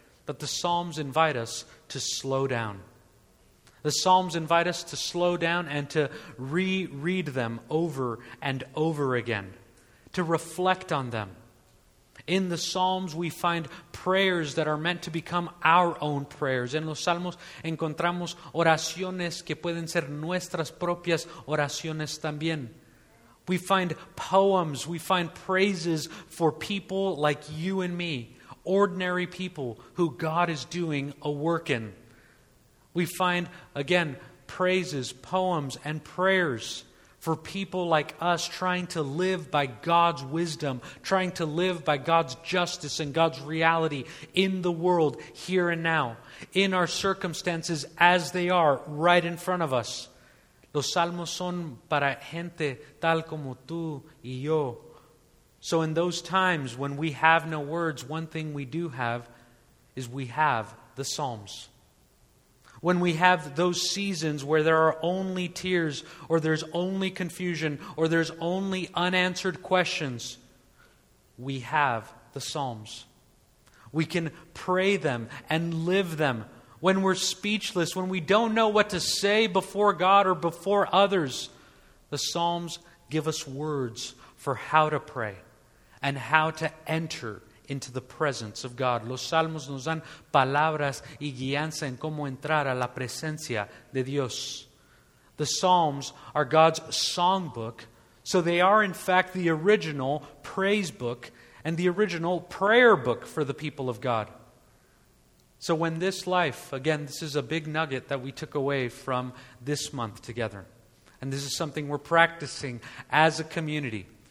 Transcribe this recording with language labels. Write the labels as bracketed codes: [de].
[en] But the Psalms invite us to slow down. The Psalms invite us to slow down and to reread them over and over again, to reflect on them. In the Psalms, we find prayers that are meant to become our own prayers. [es] En los Salmos encontramos oraciones que pueden ser nuestras propias oraciones también. [en] We find poems, we find praises for people like you and me, ordinary people who God is doing a work in. We find, again, praises, poems, and prayers for people like us trying to live by God's wisdom, trying to live by God's justice and God's reality in the world, here and now, in our circumstances as they are, right in front of us. [es] Los salmos son para gente tal como tú y yo. [en] So in those times when we have no words, one thing we do have is we have the Psalms. When we have those seasons where there are only tears, or there's only confusion, or there's only unanswered questions, we have the Psalms. We can pray them and live them. When we're speechless, when we don't know what to say before God or before others, the Psalms give us words for how to pray and how to enter into the presence of God. [es] Los salmos nos dan palabras y guianza en cómo entrar a la presencia de Dios. [en] The Psalms are God's songbook, so they are in fact the original praise book and the original prayer book for the people of God. So when this life, again, this is a big nugget that we took away from this month together, and this is something we're practicing as a community,